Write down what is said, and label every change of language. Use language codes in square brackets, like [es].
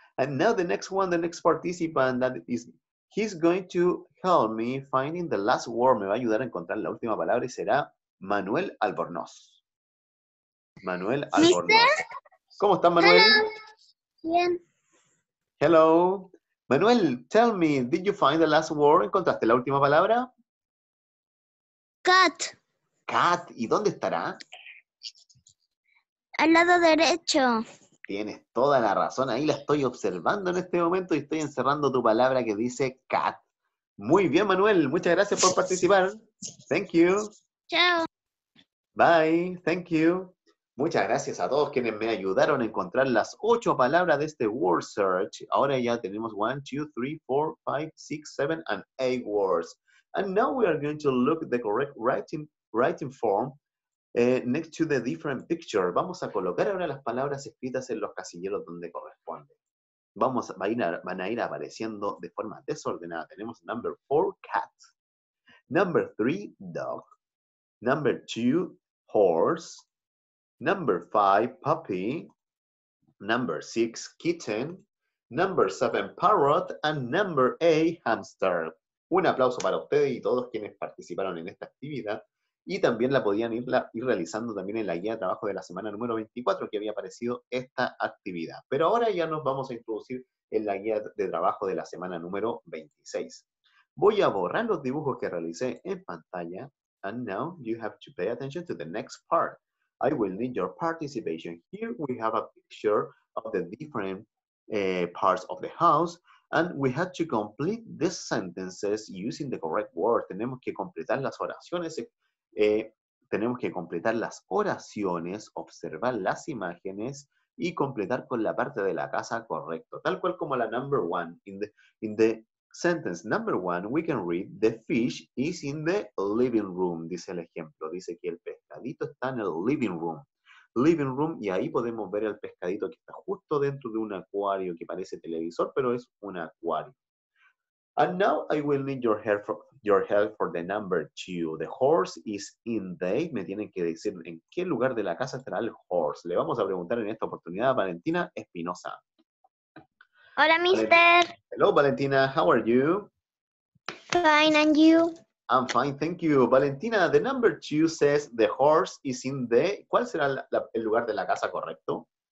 [en] And now the next one, the next participant, that is, he's going to help me finding the last word. [es] Me va a ayudar a encontrar la última palabra y será Manuel Albornoz. Manuel Albornoz. ¿Cómo estás, Manuel? Bien. [en] Hello. Manuel, tell me, did you find the last word? [es] ¿Encontraste la última palabra? [en] Cat. [es] Cat. ¿Y dónde estará? Al lado derecho. Tienes toda la razón. Ahí la estoy observando en este momento y estoy encerrando tu palabra que dice cat. Muy bien, Manuel. Muchas gracias por participar. [en] Thank you. [es] Chao. [en] Bye. Thank you. [es] Muchas gracias a todos quienes me ayudaron a encontrar las 8 palabras de este word search. Ahora ya tenemos 1, 2, 3, 4, 5, 6, 7, [en] and 8 words. And now we are going to look at the correct writing form next to the different picture. [es] Vamos a colocar ahora las palabras escritas en los casilleros donde corresponden. Van a ir apareciendo de forma desordenada. Tenemos [en] number 4, cat. Number 3, dog. Number 2, horse. Number 5, puppy. Number 6, kitten. Number 7, parrot. And number 8, hamster. [es] Un aplauso para ustedes y todos quienes participaron en esta actividad. Y también la podían ir realizando también en la guía de trabajo de la semana número 24 que había aparecido esta actividad. Pero ahora ya nos vamos a introducir en la guía de trabajo de la semana número 26. Voy a borrar los dibujos que realicé en pantalla. [en] And now you have to pay attention to the next part. I will need your participation. Here we have a picture of the different parts of the house and we have to complete these sentences using the correct word. [es] Tenemos que completar las oraciones. Tenemos que completar las oraciones, observar las imágenes y completar con la parte de la casa correcto. Tal cual como la [en] number one. In the sentence number one, we can read, the fish is in the living room, [es] dice el ejemplo. Dice que el pescadito está en el [en] living room. [es] living room, y ahí podemos ver al pescadito que está justo dentro de un acuario que parece televisor, pero es un acuario. [en] And now I will need your help for the number two. The horse is in the... [es] Me tienen que decir en qué lugar de la casa estará el horse. Le vamos a preguntar en esta oportunidad a Valentina Espinosa. Hola, mister. [en] Hello, Valentina. How are you? Fine, and you? I'm fine, thank you. Valentina, the number two says the horse is in the... [es] ¿Cuál será el lugar de la casa correcto?